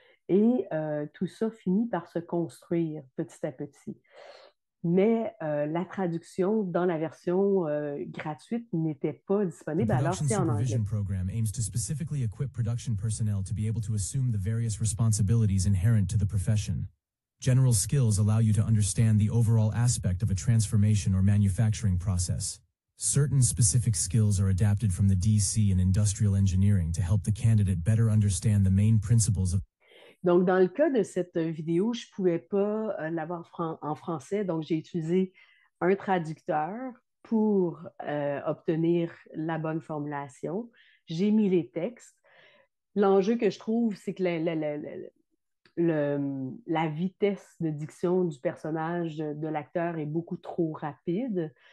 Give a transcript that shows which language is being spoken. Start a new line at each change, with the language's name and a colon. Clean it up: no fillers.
French: Et tout ça finit par se construire petit à petit. » Mais la traduction dans la version gratuite n'était pas disponible, alors c'est en anglais.
English: The Production Supervision Program aims to specifically equip production personnel to be able to assume the various responsibilities inherent to the profession. General skills allow you to understand the overall aspect of a transformation or manufacturing process. Certain specific skills are adapted from the DC and industrial engineering to help the candidate better understand the main principles of.
French: Donc, dans le cas de cette vidéo, je ne pouvais pas l'avoir en français. Donc, j'ai utilisé un traducteur pour obtenir la bonne formulation. J'ai mis les textes. L'enjeu que je trouve, c'est que la vitesse de diction du personnage de l'acteur est beaucoup trop rapide.